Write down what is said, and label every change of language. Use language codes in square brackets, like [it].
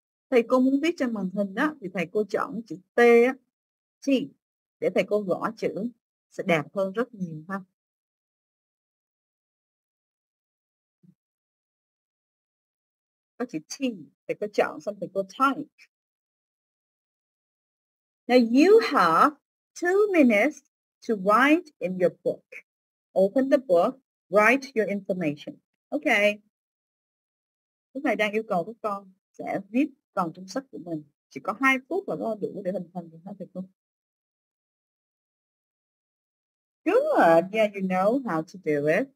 [vi] Thầy cô muốn viết trên màn hình đó thì thầy cô chọn chữ T á, T để thầy cô gõ chữ sẽ đẹp hơn rất nhiều ha. Có chữ T thầy cô chọn xong thầy cô type. [en] Now you have 2 minutes to write in your book. Open the book, write your information. Okay. [vi] Lúc này đang yêu cầu các con sẽ viết còn trong sách của mình, chỉ có 2 phút là nó đủ để hình thành được hả thầy cô? [en] Good, yeah, you know how to do it.